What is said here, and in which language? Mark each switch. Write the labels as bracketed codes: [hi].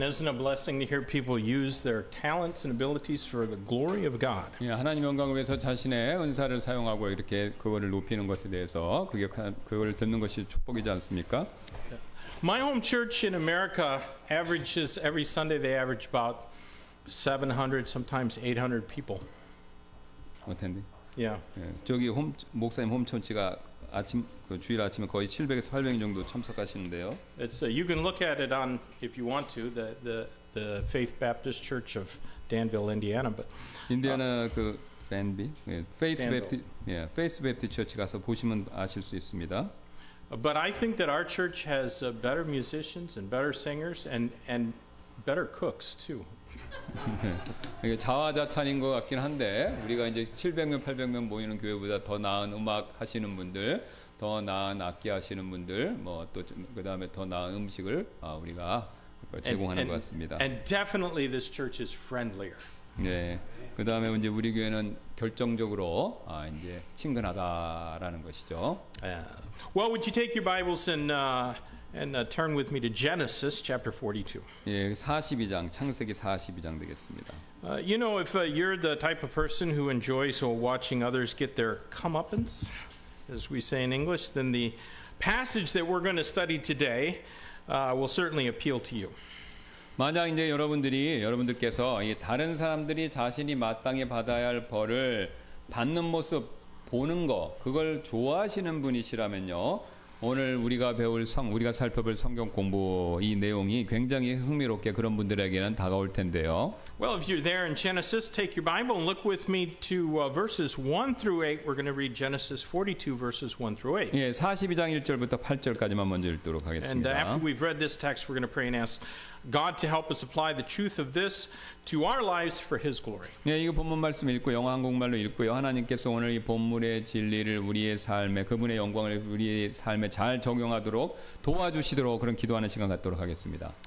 [en] Isn't a blessing to hear people use their talents and abilities for the glory of God? [ko] 예, 하나님 영광을 위해서 자신의 은사를 사용하고 이렇게 그거를 높이는 것에 대해서 그걸 듣는 것이 축복이지 않습니까? [en] My home church in America averages every Sunday they average about 700 sometimes 800 people. 어텐디? Yeah. [ko] 예, 저기 홈 목사님 홈촌치가 아침 그 주일 아침에 거의 700에서 800 정도 참석하시는데요. [en] It's a, you can look at it on if you want to the Faith Baptist Church of Danville, Indiana. But [ko] Indiana 그 밴비 예, Faith Baptist 예, Faith Baptist Church 가서 보시면 아실 수 있습니다. [en] But I think that our church has better musicians and better singers and better cooks too. [ko] 이게 자화자찬인 것 같긴 한데 우리가 이제 700명, 800명 모이는 교회보다 더 나은 음악 하시는 분들, 더 나은 악기 하시는 분들, 뭐 또 그다음에 더 나은 음식을 우리가 제공하는 것 같습니다. [en] And definitely this church is friendlier. [ko] 네, 그다음에 이제 우리 교회는 결정적으로 이제 친근하다라는 것이죠. [en] Well, would you take your Bibles and turn with me to Genesis chapter 42. [ko] 예, 42장 창세기 42장 되겠습니다. [en] You know, if you're the type of person who enjoys watching others get their comeuppance, as we say in English, then the passage that we're going to study today will certainly appeal to you. [ko] 만약 이제 여러분들께서 다른 사람들이 자신이 마땅히 받아야 할 벌을 받는 모습 보는 거 그걸 좋아하시는 분이시라면요. 오늘 우리가 배울 우리가 살펴볼 성경 공부 이 내용이 굉장히 흥미롭게 그런 분들에게는 다가올 텐데요. [en] Well, if you're there in Genesis, take your Bible and look with me to verses 1 through 8. We're going to read Genesis 42 verses 1 through 8. [ko] 예, 42장 1절부터 8절까지만 먼저 읽도록 하겠습니다. [en] And after we've read this text, we're going to pray and ask God to help us apply the truth of this to our lives for His glory. [ko] 네, 이거 본문 말씀 읽고 영어 한국말로 읽고요. 하나님께서 오늘 이 본문의 진리를 우리의 삶에 그분의 영광을 우리의 삶에 잘 적용하도록 도와주시도록 그런 기도하는 시간 갖도록 하겠습니다.